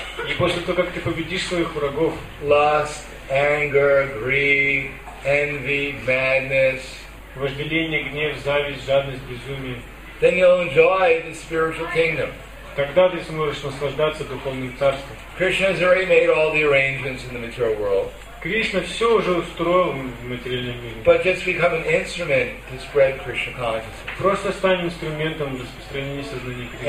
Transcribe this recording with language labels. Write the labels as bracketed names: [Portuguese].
[Russian] и после того, как ты победишь своих врагов, [English] lust, anger, greed, envy, madness, [Russian] вожделение, гнев, зависть, жадность, безумие, [English] then you'll enjoy the spiritual kingdom. [Russian] Тогда ты сможешь наслаждаться духовным царством. [English] Krishna has already made all the arrangements in the material world. [Russian] Кришна все уже устроил в материальном мире. [English] But just become an instrument to spread Krishna consciousness. [Russian] Просто стань инструментом для распространения сознания Кришны.